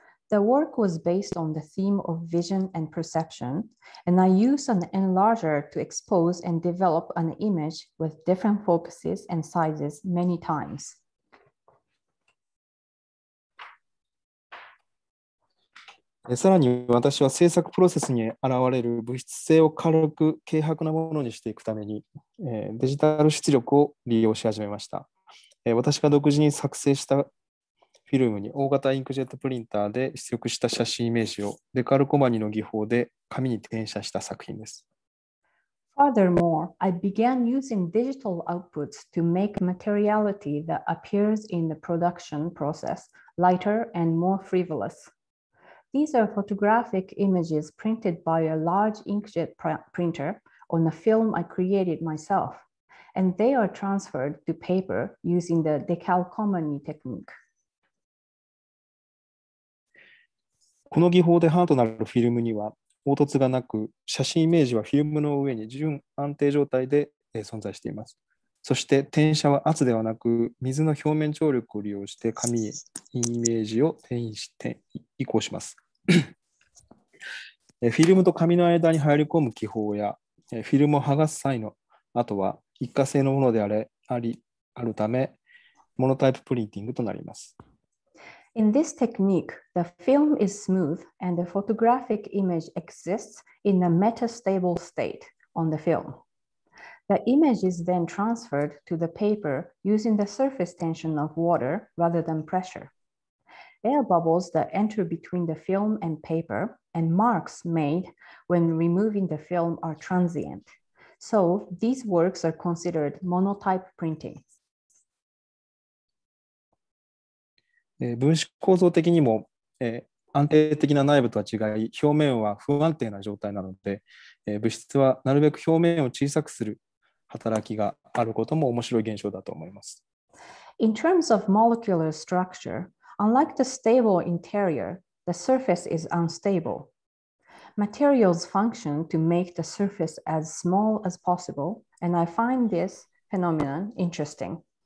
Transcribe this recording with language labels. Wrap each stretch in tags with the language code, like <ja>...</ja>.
<en>The work was based on the theme of vision and perception, and I used an enlarger to expose and develop an image with different focuses and sizes many times.</en> <ja>さらに私は制作プロセスに現れる物質性を軽く軽薄なものにしていくために、デジタル出力を利用し始めました。私が独自に作成したフィルムに大型インクジェットプリンターで出力した写真イメージをデカルコマニの技法で紙に転写した作品です。</ja> <en>Furthermore, I began using digital outputs to make materiality that appears in the production process lighter and more frivolous. These are photographic images printed by a large inkjet printer on a film I created myself, and they are transferred to paper using the decalcomanyTechnique.</en> <ja>この技法で版となるフィルムには凹凸がなく、写真イメージはフィルムの上に純安定状態で存在しています。そして転写は圧ではなく、水の表面張力を利用して紙へイメージを転写して移行します。フィルムと紙の間に入り込む技法や、フィルムを剥がす際の跡は一過性のものであれ、ありあるため、モノタイププリンティングとなります。</ja> <en>In this technique, the film is smooth and the photographic image exists in a metastable state on the film. The image is then transferred to the paper using the surface tension of water rather than pressure. Air bubbles that enter between the film and paper and marks made when removing the film are transient. So these works are considered monotype printing.</en> <ja>分子構造的にも、安定的な内部とは違い、表面は不安定な状態なので、物質はなるべく表面を小さくする働きがあることも面白い現象だと思います。</ja> <en>In terms of molecular structure, unlike the stable interior, the surface is unstable. Materials function to make the surface as small as possible, and I find this phenomenon interesting.</en>